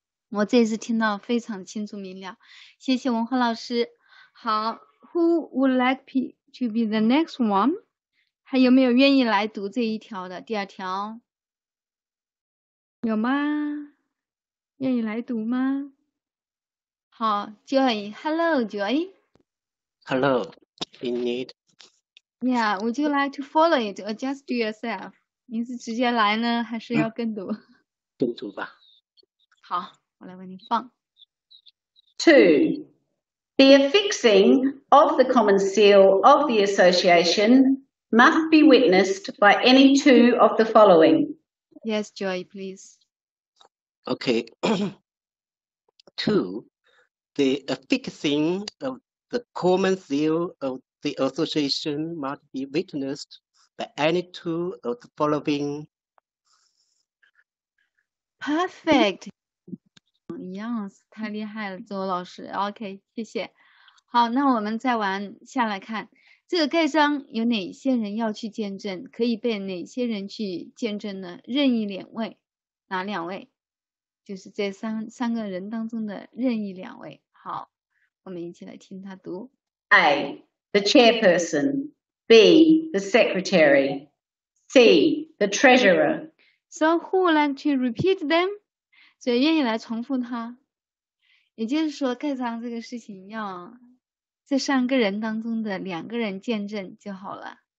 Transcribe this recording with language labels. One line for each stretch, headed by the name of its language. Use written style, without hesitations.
Chinese: 我这次听到非常清楚明了，谢谢文化老师。
English: 好 ，Who would like to be the next one？
Chinese: 还有没有愿意来读这一条的第二条？有吗？愿意来读吗？好 ，Joy.
English: Hello, Joy. Hello. In need. Yeah, would you like to follow it or just do yourself?
Chinese: 您是直接来呢，还是要跟读？跟读吧。好，我来为您放。
English: Two, the affixing of the common seal of the association must be witnessed by any two of the following. Yes, Joy, please. Okay. Two, the affixing of the common seal of the association must be witnessed by any two of the following. Perfect.
Chinese: Yes, 太厉害了，周老师。 OK， 谢谢。好，那我们再玩下来看，这个盖章有哪些人要去见证，可以被哪些人去见证呢？任意两位，哪两位？就是这三个人当中的任意两位。好。我们一起来听他读。
English: A. The chairperson. B. The secretary. C. The treasurer. So who would like to repeat them?
Chinese: 所以愿意来重复他。也就是说盖章这个事情要这三个人当中的两个人见证就好了。